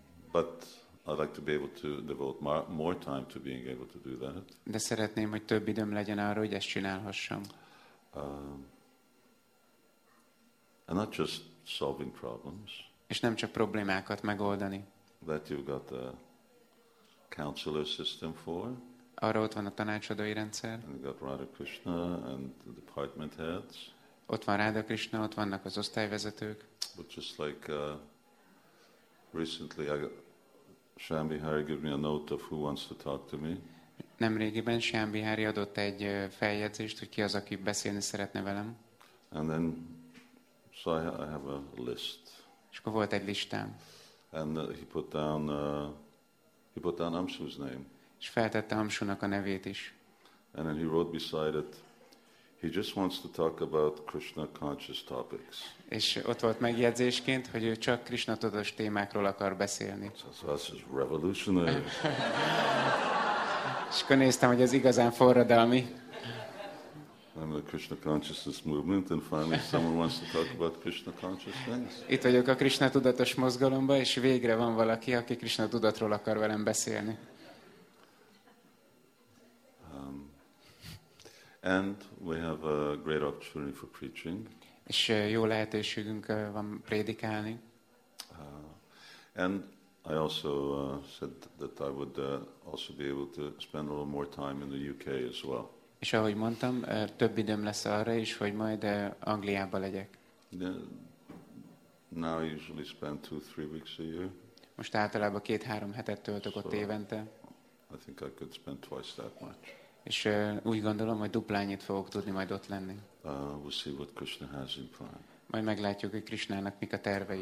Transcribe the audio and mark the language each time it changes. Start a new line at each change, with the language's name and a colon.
English: But I'd like to be able to devote more time to being able to do that.
Hungarian: De szeretném, hogy több időm legyen arra, hogy ezt csinálhassam.
English: And not just solving problems.
Hungarian: És nem csak problémákat megoldani.
English: That you've got a counselor system for.
Hungarian: Arra ott van a tanácsadói rendszer.
English: And you've got Radha Krishna and the department heads.
Hungarian: Ott van Radha Krishna, ott vannak az osztályvezetők.
English: But just like recently I got Shyam Bihari gave me a note of who wants to talk to me.
Hungarian: Nemrégiben Shyam Bihari adott egy feljegyzést, hogy ki az, aki beszélni szeretne velem.
English: And then, so I have a list.
Hungarian: És akkor volt egy listám.
English: And he put down Amshu's name.
Hungarian: És feltette Amshu-nak a nevét is.
English: And then he wrote beside it, he just wants to talk about Krishna conscious topics.
Hungarian: És ott volt megjegyzésként, hogy ő csak Krishna tudatos témákról akar beszélni.
English: So this is revolutionary.
Hungarian: És akkor néztem, hogy ez igazán forradalmi.
English: I'm the Krishna consciousness movement, and finally someone wants to talk about Krishna conscious things.
Hungarian: Itt vagyok a Krishna tudatos mozgalomba, és végre van valaki, aki Krishna tudatról akar velem beszélni.
English: And we have a great opportunity for preaching.
Hungarian: És jó lehetőségünk van prédikálni.
English: And I also said that I would also be able to spend a little more time in the UK as well.
Hungarian: És ahogy mondtam, több időm lesz arra is, hogy majd Angliába legyek.
English: Now I usually spend 2-3 weeks a year.
Hungarian: Most általában 2-3 hetet töltök ott évente.
English: I think I could spend twice that much.
Hungarian: És úgy gondolom, hogy duplányit fogok tudni majd ott lenni.
English: We'll see what Krishna has in plan.
Hungarian: Majd meglátjuk, hogy Krishnának mik a tervei.